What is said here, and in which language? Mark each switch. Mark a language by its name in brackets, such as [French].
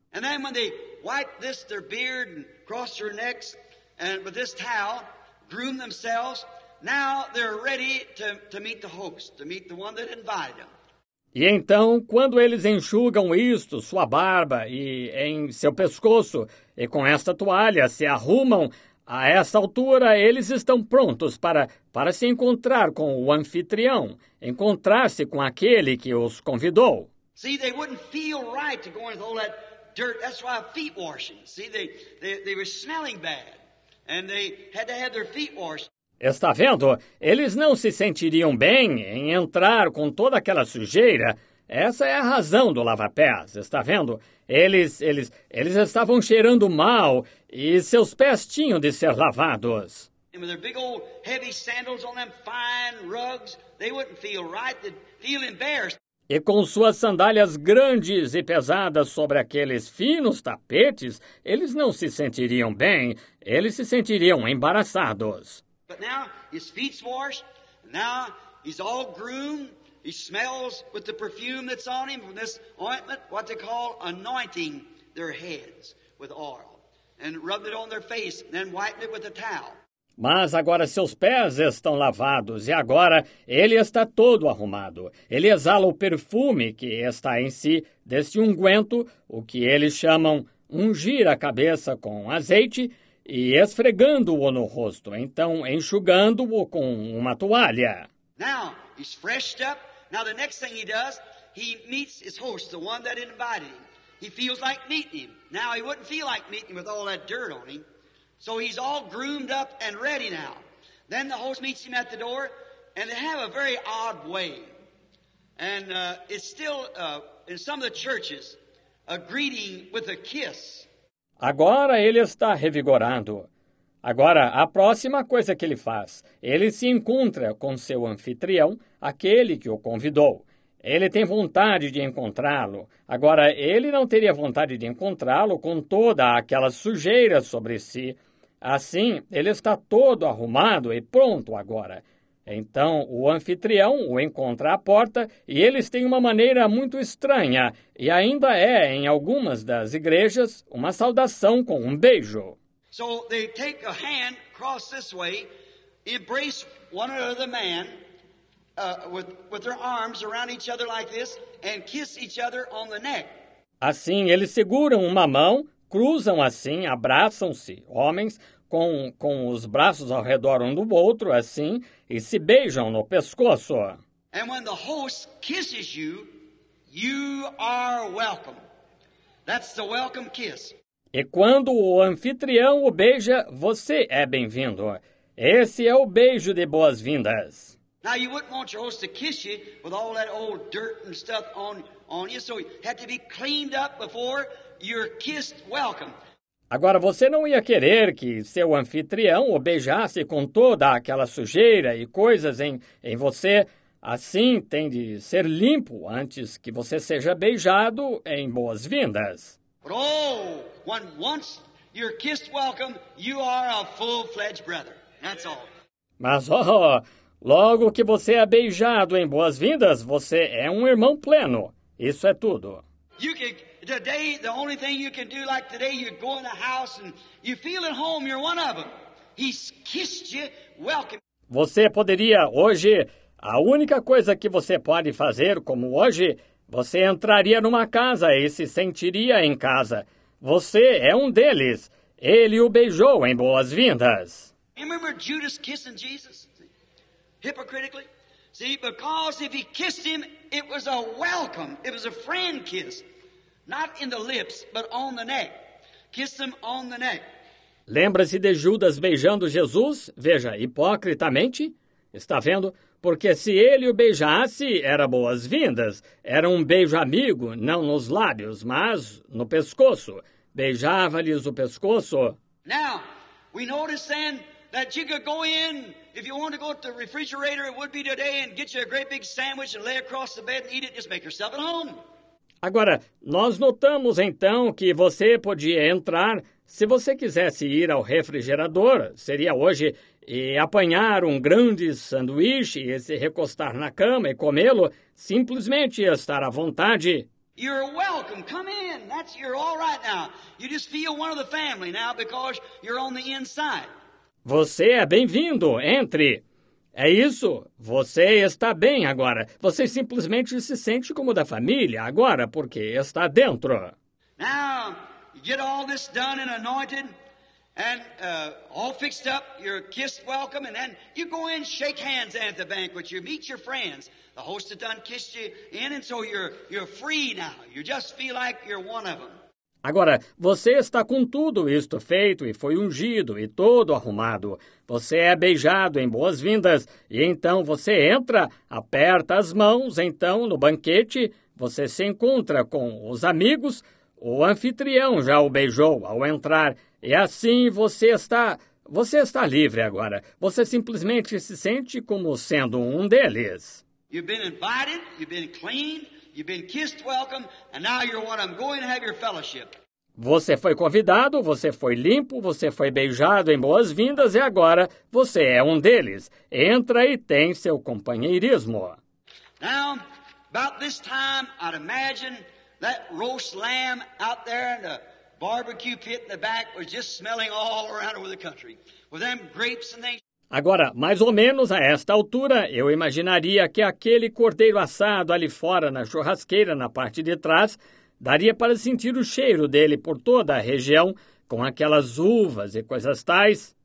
[Portuguese] E aí, quando eles [English] wiped this their beard and crossed their necks and with this towel, groomed themselves, now they're ready to meet the host, to meet the one that invited them. [Portuguese] E então, quando eles enxugam isto, sua barba e em seu pescoço, e com esta toalha se arrumam, a esta altura eles estão prontos para se encontrar com o anfitrião, encontrar-se com aquele que os convidou. [English] See, they wouldn't feel right to go into all that dirt. That's why feet washing. See, they were smelling bad, and they had to have their feet washed. [Portuguese] Está vendo? Eles não se sentiriam bem em entrar com toda aquela sujeira. Essa é a razão do lava-pés, está vendo? Eles estavam cheirando mal e seus pés tinham de ser lavados. E com seus grandes, [English] heavy sandals on them fine rugs, they wouldn't feel right, they'd feel embarrassed. [Portuguese] E com suas sandálias grandes e pesadas sobre aqueles finos tapetes, eles não se sentiriam bem, eles se sentiriam embaraçados. [English] But now his feet's washed, and now he's all groomed, he smells with the perfume that's on him from this ointment, what they call anointing their heads with oil, and rubbed it on their face, and then wiped it with a towel. [Portuguese] Mas agora seus pés estão lavados, e agora ele está todo arrumado. Ele exala o perfume que está em si deste unguento, o que eles chamam ungir a cabeça com azeite, e esfregando-o no rosto, então enxugando-o com uma toalha. [English] Now he's freshened up. Now the next thing he does, he meets his host, the one that invited him. He feels like meeting him. Now he wouldn't feel like meeting him with all that dirt on him. So he's all groomed up and ready now. Then the host meets him at the door, and they have a very odd way. And it's still in some of the churches a greeting with a kiss. [Portuguese] Agora ele está revigorado. Agora, a próxima coisa que ele faz, ele se encontra com seu anfitrião, aquele que o convidou. Ele tem vontade de encontrá-lo. Agora, ele não teria vontade de encontrá-lo com toda aquela sujeira sobre si. Assim, ele está todo arrumado e pronto agora. Então, o anfitrião o encontra à porta e eles têm uma maneira muito estranha e ainda é, em algumas das igrejas, uma saudação com um beijo. [English] So they take a hand, cross this way, embrace one another man with their arms around each other like this and kiss each other on the neck. [Portuguese] Assim, eles seguram uma mão, cruzam assim, abraçam-se, homens, com os braços ao redor um do outro, assim, e se beijam no pescoço. [English] And when the host kisses you, you are welcome. That's the welcome kiss. [Portuguese] E quando o anfitrião o beija, você é bem-vindo. Esse é o beijo de boas-vindas. [English] Now you wouldn't want your host to kiss you with all that old dirt and stuff on you, so you had to be cleaned up before you're kissed welcome. [Portuguese] Agora, você não ia querer que seu anfitrião o beijasse com toda aquela sujeira e coisas em você. Assim, tem de ser limpo antes que você seja beijado em boas-vindas. [English] Oh, when once you're kissed welcome, you are a full-fledged brother. That's all. [Portuguese] Mas, oh, logo que você é beijado em boas-vindas, você é um irmão pleno. Isso é tudo. [English] Today, the only thing you can do like today, you go in the house and you feel at home, you're one of them. He's kissed you, welcome. [Portuguese] Você poderia hoje, a única coisa que você pode fazer como hoje, você entraria numa casa e se sentiria em casa. Você é um deles. Ele o beijou em boas-vindas. [English] Remember Judas kissing Jesus? Hypocritically? See, because if he kissed him, it was a welcome. It was a friend kiss. Not in the lips, but on the neck. Kiss them on the neck. [Portuguese] Lembra-se de Judas beijando Jesus? Veja, hipocritamente? Está vendo? porque se ele o beijasse, era boas-vindas. Era um beijo amigo, não nos lábios, mas no pescoço. Beijava-lhes o pescoço. [English] Now, we notice then that you could go in, if you want to go to the refrigerator, it would be today, and get you a great big sandwich and lay across the bed and eat it, just make yourself at home. [Portuguese] Agora, nós notamos então que você podia entrar, se você quisesse ir ao refrigerador, seria hoje, e apanhar um grande sanduíche e se recostar na cama e comê-lo, simplesmente estar à vontade. [English] You're welcome. Come in. That's, you're all right now. You just feel one of the family now because you're on the inside. [Portuguese] Você é bem-vindo. Entre. É isso. Você está bem agora. Você simplesmente se sente como da família agora porque está dentro. [English] Now, you get all this done and anointed and all fixed up. You're kissed welcome and then you go in, shake hands at the banquet. You meet your friends. The host has done kissed you in, and so you're free now. You just feel like you're one of them. [Portuguese] Agora, você está com tudo isto feito e foi ungido e todo arrumado. Você é beijado em boas-vindas e então você entra, aperta as mãos, então no banquete você se encontra com os amigos. O anfitrião já o beijou ao entrar e assim você está livre agora. Você simplesmente se sente como sendo um deles. [English] You've been invited, you've been cleaned, you've been kissed welcome, and now you're what I'm going to have your fellowship. [Portuguese] Você foi convidado, você foi limpo, você foi beijado em boas-vindas e agora você é um deles. Entra e tem seu companheirismo. [English] Now, about this time, I'd imagine that roast lamb out there in the barbecue pit in the back was just smelling all around over the country. With them grapes and things. [Portuguese] Agora, mais ou menos a esta altura, eu imaginaria que aquele cordeiro assado ali fora na churrasqueira, na parte de trás, daria para sentir o cheiro dele por toda a região, com aquelas uvas e coisas tais.